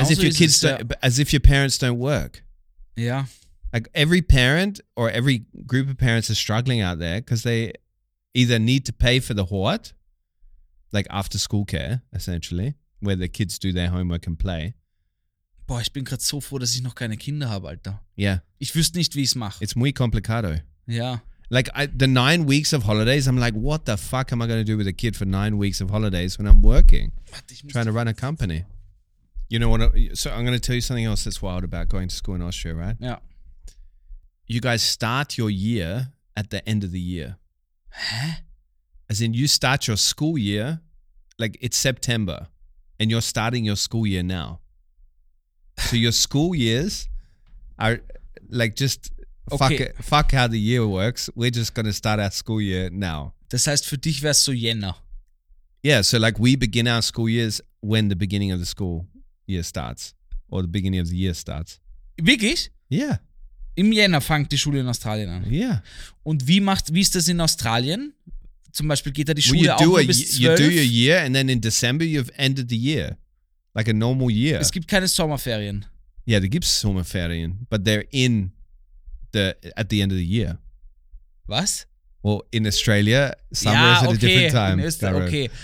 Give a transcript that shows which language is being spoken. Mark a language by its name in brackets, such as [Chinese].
[English] as if your kids don't, as if your parents don't work. Yeah. Like every parent or every group of parents are struggling out there because they either need to pay for the hort, like after school care, essentially, where the kids do their homework and play. [German] Boah, ich bin gerade so froh, dass ich noch keine Kinder habe, Alter. [English] Yeah. [German] Ich wüsste nicht, wie ich es mache. [English] It's [Spanish] muy complicado. [English] Yeah. Like, the 9 weeks of holidays, I'm like, what the fuck am I going to do with a kid for 9 weeks of holidays when I'm working? Trying to run a company. You know what? So I'm going to tell you something else that's wild about going to school in Austria, right? Yeah. You guys start your year at the end of the year. Huh? As in, you start your school year, like, it's September, and you're starting your school year now. So your school years are like just fuck how the year works. We're just going to start our school year now. [German] Das heißt, für dich wär's so Jänner. [English] Yeah, so like we begin our school years when the beginning of the school year starts or the beginning of the year starts. [German] Wirklich? [English] Yeah. [German] Im Jänner fängt die Schule in Australien an. [English] Yeah. [German] Und wie ist das in Australien? Zum Beispiel geht da die Schule auch bis 12? [English] You do your year and then in December you've ended the year. Like a normal year. [German] Es gibt keine Sommerferien. [English] Yeah, there [German] gibt's Sommerferien, [English] but they're in the at the end of the year. [German] Was? [English] Well, in Australia, summer [German] ja, [English] is at [German] okay. [English] a different time. [German] In Österreich, okay.